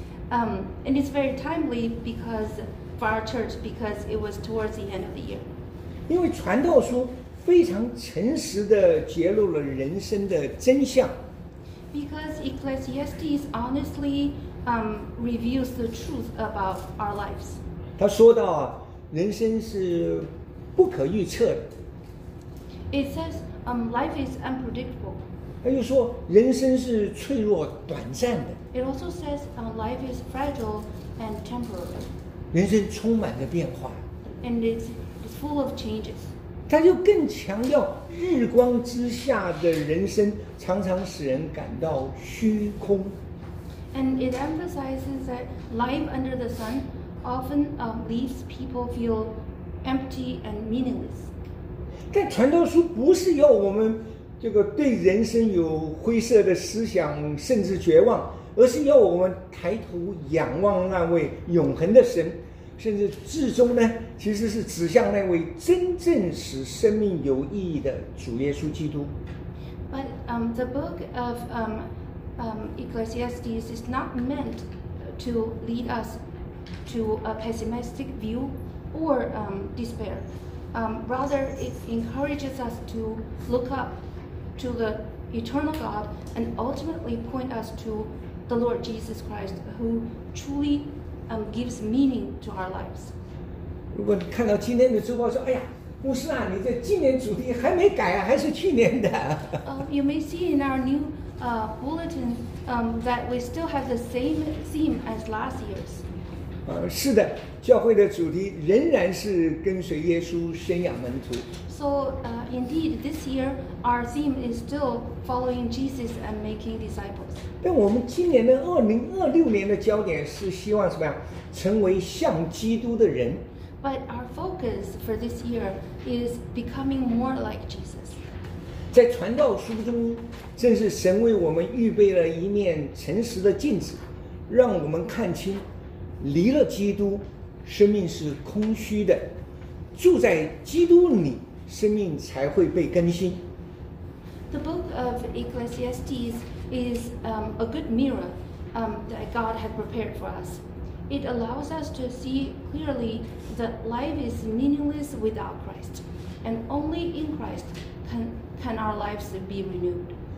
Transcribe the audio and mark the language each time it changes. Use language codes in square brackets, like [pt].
[en] And it's very timely because for our church, because it was towards the end of the year. [zh] 因为传道书非常诚实地揭露了人生的真相。 [en] Because Ecclesiastes honestly reveals the truth about our lives. [zh] 他说到人生是不可预测的。 [en] It says, life is unpredictable. [zh] 他就说人生是脆弱短暂的。 [en] It also says, life is fragile and temporary. [zh] 人生充满着变化。 [en] And it's full of changes. [zh] 他就更强调日光之下的人生常常使人感到虚空。 [en] And it emphasizes that life under the sun often leaves people feel empty and meaningless. [zh] 但传道书不是要我们这个对人生有灰色的思想，甚至绝望，而是要我们抬头仰望那位永恒的神，甚至至终呢，其实是指向那位真正使生命有意义的主耶稣基督。 [en] But the book of Ecclesiastes is not meant to lead us to a pessimistic view. Or despair. Rather, it encourages us to look up to the eternal God and ultimately point us to the Lord Jesus Christ, who truly gives meaning to our lives. [zh] 如果看到今天的周报说，哎呀，牧师啊，你这今年主题还没改啊，还是去年的。 [en] You may see in our new bulletin that we still have the same theme as last year's. [zh] 是的，教会的主题仍然是跟随耶稣，宣扬门徒。 [en] So, indeed, this year our theme is still following Jesus and making disciples. [zh] 但我们今年的2026年的焦点是希望什么呀？成为像基督的人。 [en] But our focus for this year is becoming more like Jesus. [zh] 在传道书中，正是神为我们预备了一面诚实的镜子，让我们看清离了基督生命是空虚的，住在基督里生命才会被更新。 [en] The book of Ecclesiastes is a good mirror that God had prepared for us. It allows us to see clearly that life is meaningless without Christ, and only in Christ can our lives be renewed.